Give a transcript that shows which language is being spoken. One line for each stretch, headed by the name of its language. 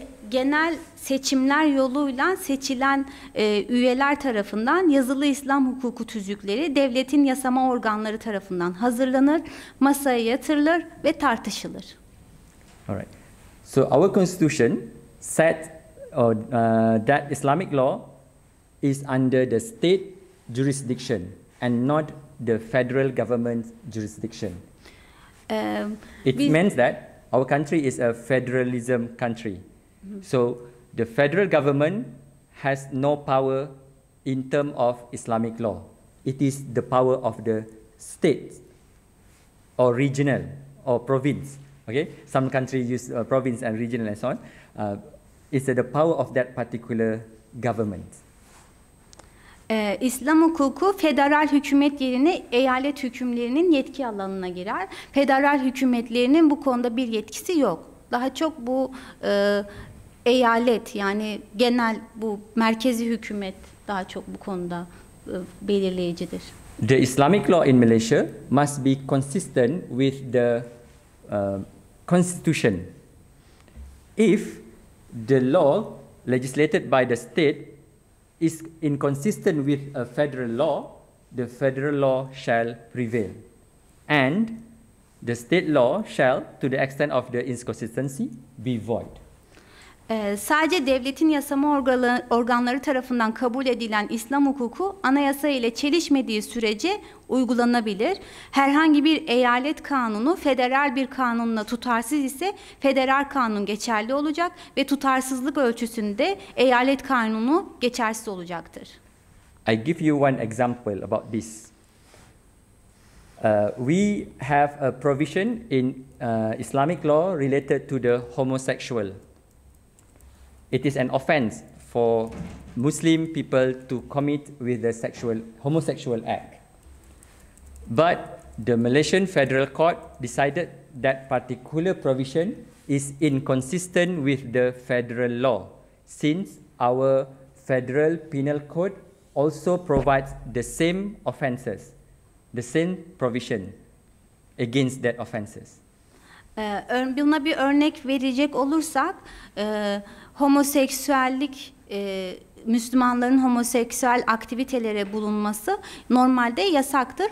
Turkish: Genel seçimler yoluyla seçilen üyeler tarafından yazılı İslam hukuku tüzükleri devletin yasama organları tarafından hazırlanır, masaya yatırılır ve tartışılır.
English: All right. So our constitution set that Islamic law is under the state jurisdiction and not the federal government jurisdiction. Means that our country is a federalism country. So the federal government has no power in terms of Islamic law. It is the power of the state or regional or province. Okay, some countries use province and regional and so on. It's the power of that particular government.
Turkish: İslam hukuku federal hükümet yerine eyalet hükümlerinin yetki alanına girer. Federal hükümetlerinin bu konuda bir yetkisi yok. Daha çok bu eyalet, yani genel bu merkezi hükümet daha çok bu konuda belirleyicidir.
English: The Islamic law in Malaysia must be consistent with the constitution. If the law legislated by the state is inconsistent with a federal law, the federal law shall prevail. And the state law shall, to the extent of the inconsistency, be void.
Turkish: Sadece devletin yasama organları tarafından kabul edilen İslam hukuku, anayasa ile çelişmediği sürece uygulanabilir. Herhangi bir eyalet kanunu federal bir kanunla tutarsız ise federal kanun geçerli olacak ve tutarsızlık ölçüsünde eyalet kanunu geçersiz olacaktır.
English: I give you one example about this. We have a provision in Islamic law related to the homosexual. It is an offense for Muslim people to commit with the homosexual act. But the Malaysian Federal Court decided that particular provision is inconsistent with the federal law, since our federal penal code also provides the same offenses, the same provision against that offenses.
Turkish: Buna bir örnek verecek olursak, homoseksüellik, Müslümanların homoseksüel aktivitelere bulunması normalde yasaktır.